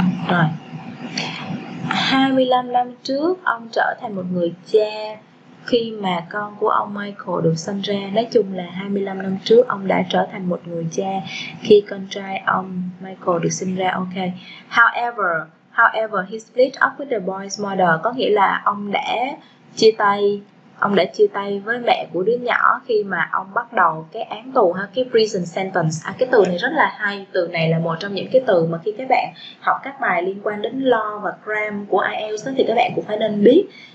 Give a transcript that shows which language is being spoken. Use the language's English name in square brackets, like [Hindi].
[Vietnamese] Rồi. 25 năm trước ông trở thành một người cha khi mà con của ông Michael được sinh ra. Nói chung là 25 năm trước ông đã trở thành một người cha khi con trai ông Michael được sinh ra. Ok. [English] However, he split up with the boy's mother. [Vietnamese] Có nghĩa là ông đã chia tay với mẹ của đứa nhỏ khi mà ông bắt đầu cái án tù ha, cái prison sentence. Cái từ này rất là hay, từ này là một trong những cái từ mà khi các bạn học các bài liên quan đến law và crime của IELTS thì các bạn cũng phải nên biết.